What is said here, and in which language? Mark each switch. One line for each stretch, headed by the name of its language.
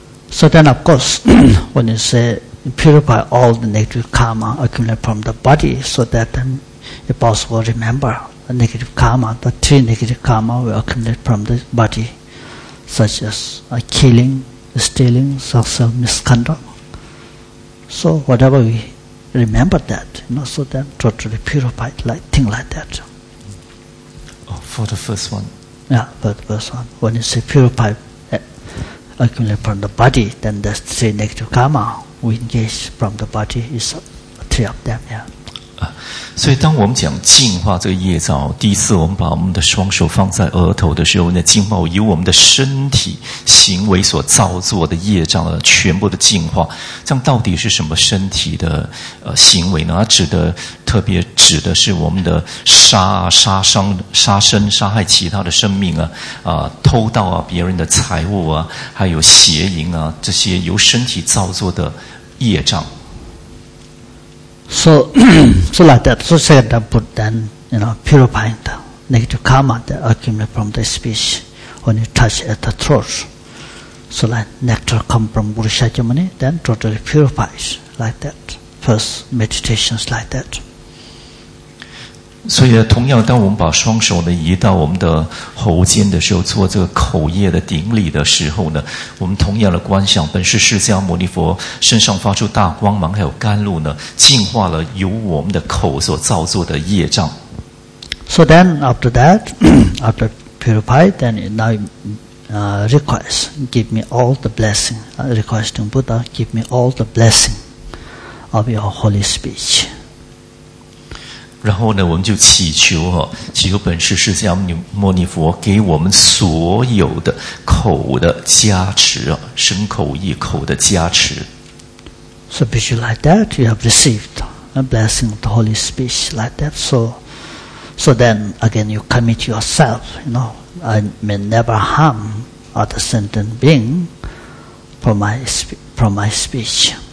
English: So then, of course, when you say. Purify all the negative karma accumulated from the body so that then you possibly remember the negative karma, the three negative karma will accumulate from the body, such as killing, stealing, sexual misconduct. So whatever we remember that, you know, so then totally purified, like thing like that. Oh, for the first one? Yeah, for the first one. When you say purify accumulated from the body, then there's three negative karma. We engage from the body is three of them, yeah.
Chinese: 所以当我们讲净化这个业障，第一次我们把我们的双手放在额头的时候，那净化由我们的身体行为所造作的业障的全部的净化。这样到底是什么身体的行为呢？它指的特别指的是我们的杀生、杀害其他的生命啊，偷盗啊别人的财物啊，还有邪淫啊，这些由身体造作的业障。
English: So like that. So second time put then, you know, purifying the negative karma that accumulate from the speech when you touch at the throat. So like nectar come from Guru Shakyamuni, then totally purifies like that. First meditations like that.
Chinese: 所以同样当我们把双手呢移到我们的喉间的时候，做这个口业的顶礼的时候呢，我们同样的观想本是释迦牟尼佛身上发出大光芒还有甘露呢，净化了由我们的口所造作的业障。
English: So then after that after purified then now request give me all the blessing requesting Buddha give me all the blessing of your holy speech.
Chinese: 然后呢，我们就祈求哈，祈求本师释迦牟尼佛给我们所有的口的加持啊，身口意口的加持。
English: So be you like that, you have received a blessing of the holy speech like that. So then again, you commit yourself. You know, I may never harm other sentient being from my speech.